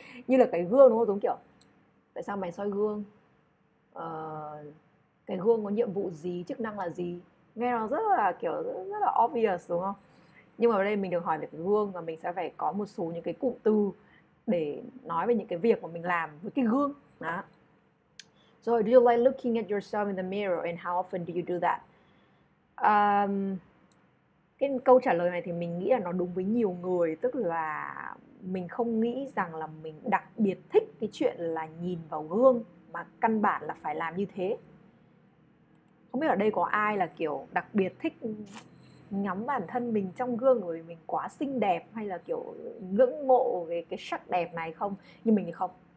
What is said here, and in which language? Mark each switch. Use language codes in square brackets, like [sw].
[vi] Như là cái gương đúng không? Giống kiểu, tại sao mày soi gương? Cái gương có nhiệm vụ gì, chức năng là gì? Nghe nó rất là kiểu, rất là obvious đúng không? Nhưng mà ở đây mình được hỏi về cái gương và mình sẽ phải có một số những cái cụm từ để nói về những cái việc mà mình làm với cái gương đó. [en] So, do you like looking at yourself in the mirror and how often do you do that? [vi] Cái câu trả lời này thì mình nghĩ là nó đúng với nhiều người, tức là mình không nghĩ rằng là mình đặc biệt thích cái chuyện là nhìn vào gương mà căn bản là phải làm như thế. Không biết ở đây có ai là kiểu đặc biệt thích ngắm bản thân mình trong gương rồi mình quá xinh đẹp hay là kiểu ngưỡng mộ về cái sắc đẹp này không? Nhưng mình thì không.